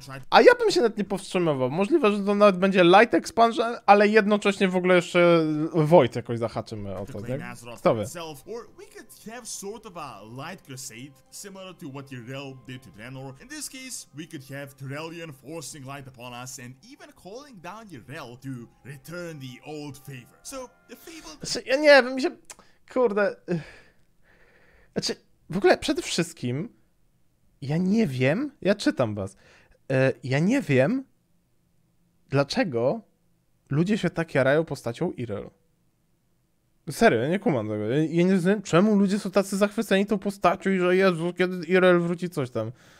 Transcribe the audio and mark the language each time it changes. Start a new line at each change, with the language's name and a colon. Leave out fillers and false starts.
Polish: A ja bym się nawet nie powstrzymywał. Możliwe, że to nawet będzie light expansion, ale jednocześnie w ogóle jeszcze Void jakoś zahaczymy o to, tak? Kto wie?
English: Or we could have sort of a light crusade, similar to what Tyrell did to Draenor. In this case, we could have Tyrellion forcing light upon us and even calling down Tyrell to return the old favor. So, the fable...
Polish: Ja nie wiem, mi się... Kurde... Znaczy, w ogóle przede wszystkim, ja nie wiem, ja czytam was, ja nie wiem, dlaczego ludzie się tak jarają postacią Irel. Serio, ja nie kumam tego, ja nie wiem, czemu ludzie są tacy zachwyceni tą postacią i że Jezu, kiedy Irel wróci coś tam.